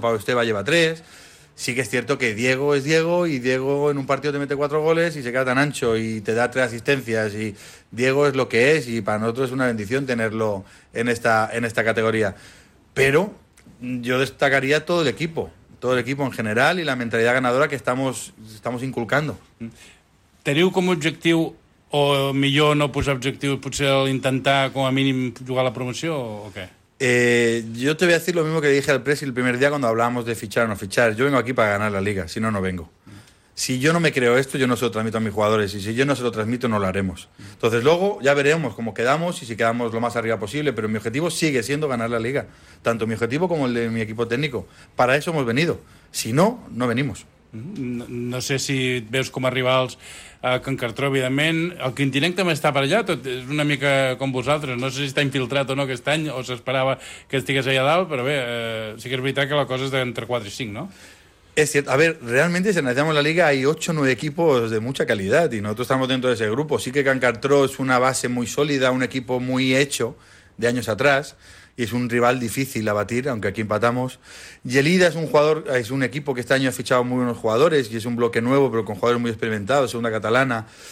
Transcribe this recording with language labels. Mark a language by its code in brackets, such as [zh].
[es] Pablo Esteba lleva 3, sí que es cierto que Diego es Diego, y Diego en un partido te mete 4 goles y se queda tan ancho y te da 3 asistencias, y Diego es lo que es, y para nosotros es una bendición tenerlo en esta categoría. Pero yo destacaría todo el equipo en general y la mentalidad ganadora que estamos inculcando. [ca] ¿Teniu com a objectiu, o millor no posar objectius, potser intentar com a mínim jugar la promoció o què? [es] Yo te voy a decir lo mismo que dije al Presi el primer día cuando hablábamos de fichar o no fichar. Yo vengo aquí para ganar la Liga, si no, no vengo. Si yo no me creo esto, yo no se lo transmito a mis jugadores, y si yo no se lo transmito, no lo haremos. Entonces luego ya veremos cómo quedamos y si quedamos lo más arriba posible, pero mi objetivo sigue siendo ganar la Liga, tanto mi objetivo como el de mi equipo técnico. Para eso hemos venido, si no, no venimos. [ca] No sé si veus com a rivals a Can Cartró, evidentment. El Quintinenc també està per allà, tot és una mica com vosaltres. No sé si està infiltrat o no aquest any, o s'esperava que estigués allà dalt, però bé, sí que és veritat que la cosa és entre 4 i 5, no? [es] Es cierto. A ver, realmente, si analizamos la Liga, hay 8 o 9 equipos de mucha calidad y nosotros estamos dentro de ese grupo. Sí que Can Cartró es una base muy sólida, un equipo muy hecho de años atrás y es un rival difícil a batir, aunque aquí empatamos. Lleida es un equipo que este año ha fichado muy buenos jugadores y es un bloque nuevo, pero con jugadores muy experimentados, segunda catalana.